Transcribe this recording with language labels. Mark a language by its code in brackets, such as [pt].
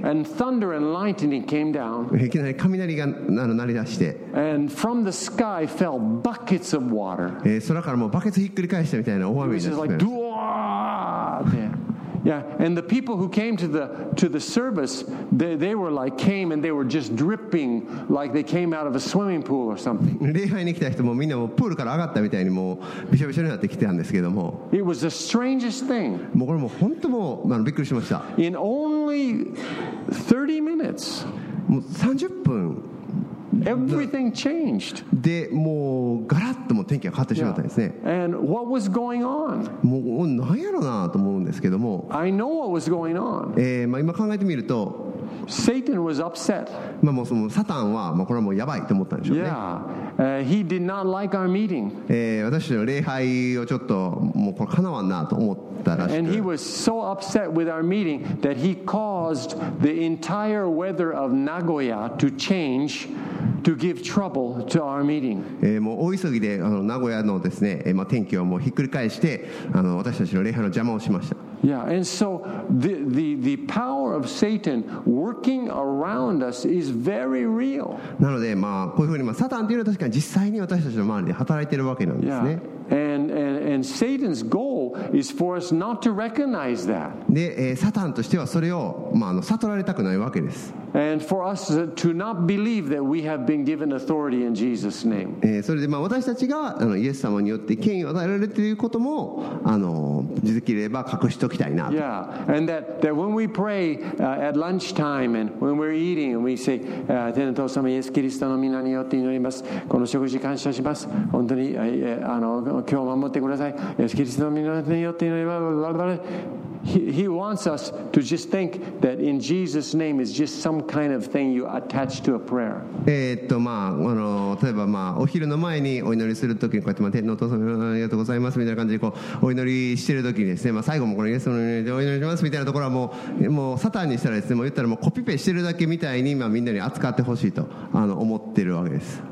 [en] And thunder and lightning came down. [ja] いきなり雷が鳴り出して。 [en] And from the sky fell buckets of water. [ja] 空からもうバケツひっくり返したみたいな大雨になりました。 [en] It was like, Duah! Yeah, and the people who came to the service, they were like came and they were just dripping like they came out of a swimming pool or something. [ja] 礼拝に来た人もみんなもプールから上がったみたいにもうびしょびしょになってきてたんですけども。 [en] It was the strangest thing. [ja] もうこれも本当もう、まあ、びっくりしました。 [en] In only 30 minutes. [ja] もう30分。 [en] Everything changed. [ja] で、もうガラッともう天気が変わってしまったんですね。 [en] Yeah. And what was going on? [ja] もう何やろうなと思うんですけども。 [en] I know what was going on. [ja] まあ、今考えてみると、 [en] Satan was upset. [ja] まあもうそのサタンはもうこれはもうやばいと思ったんでしょうね。 [en] Yeah. He did not like our meeting. [ja] 私の礼拝をちょっともうこれかなわんなと思ったらしく。 [en] And he was so upset with our meeting that he caused the entire weather of Nagoya to change. To give trouble to our meeting. [ja] もう大急ぎであの名古屋のですね、まあ、天気をもうひっくり返してあの私たちの礼拝の邪魔をしました。 [en] Yeah, and so the power of Satan working around us is very real. [ja] なのでまあこういうふうにまあサタンというのは確かに実際に私たちの周りで働いているわけなんですね。 [en] Yeah. And Satan's goal is for us not to recognize that. [ja] で、サタンとしてはそれを、まあ、悟られたくないわけです。 [en] And for us to not believe that we have been given authority in Jesus' name. [ja] それで、まあ、私たちがあのイエス様によって権威を与えられていることも、あの、できれば隠しておきたいなと。 [en] Yeah. And that when we pray at lunchtime and when we're eating and we say, [ja] 天の父様イエス・キリストの皆によって祈ります。この食事感謝します。本当に、あの、今日守ってください。イエス・キリストの皆によって祈ります。 [en] He wants us to just think that in Jesus' name is just some kind of thing you attach to a prayer. [ja] 例えば、お昼の前にお祈りするときに、こうやって、天のお父様ありがとうございますみたいな感じで、こう、お祈りしてるときにですね、最後もこのイエスの祈りでお祈りしますみたいなところは、もう、サタンにしたらですね、もう言ったらもうコピペしてるだけみたいに、みんなに扱ってほしいと、思ってるわけです。